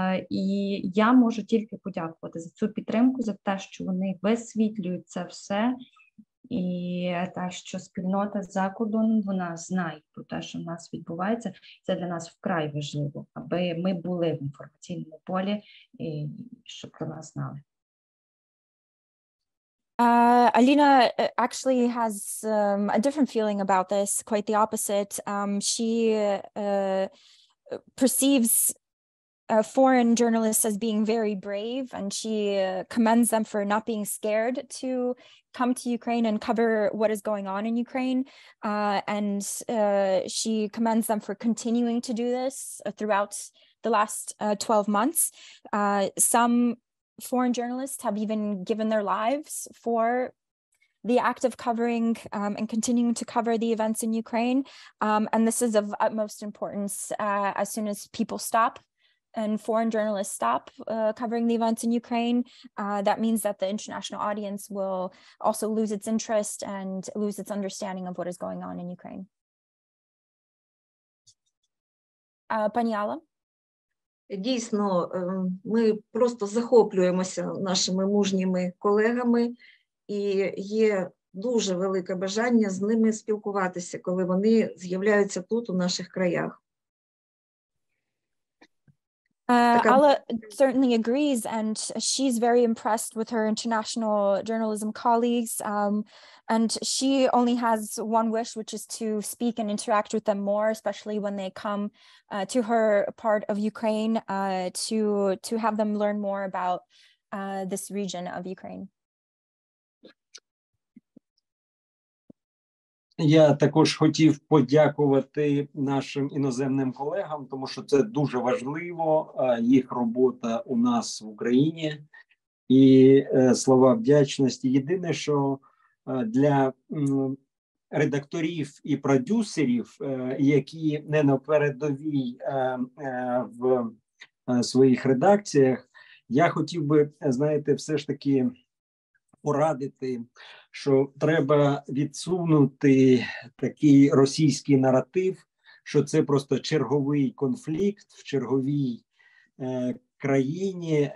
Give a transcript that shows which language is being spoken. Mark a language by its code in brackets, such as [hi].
[uk] І я можу тільки подякувати за цю підтримку, за те, що вони висвітлюють це все, і те, що спільнота за кордоном, вона знає про те, що в нас відбувається. Це для нас вкрай важливо, аби ми були в інформаційному полі, і щоб про нас знали. [en] Alina actually has a different feeling about this, quite the opposite. She perceives foreign journalists as being very brave, and she commends them for not being scared to come to Ukraine and cover what is going on in Ukraine. And she commends them for continuing to do this throughout the last 12 months. Some foreign journalists have even given their lives for the act of covering and continuing to cover the events in Ukraine. And this is of utmost importance as soon as people stop and foreign journalists stop covering the events in Ukraine. That means that the international audience will also lose its interest and lose its understanding of what is going on in Ukraine. [uk] Паніала? Дійсно, ми просто захоплюємося нашими мужніми колегами, і є дуже велике бажання з ними спілкуватися, коли вони з'являються тут, у наших краях. [en] Alla certainly agrees, and she's very impressed with her international journalism colleagues. And she only has one wish, which is to speak and interact with them more, especially when they come to her part of Ukraine, to have them learn more about this region of Ukraine. [uk] Я також хотів подякувати нашим іноземним колегам, тому що це дуже важливо, їх робота у нас в Україні, і слова вдячності. Єдине, що для редакторів і продюсерів, які не на передовій в своїх редакціях, я хотів би, знаєте, все ж таки порадити, що треба відсунути такий російський наратив, що це просто черговий конфлікт в черговій країні.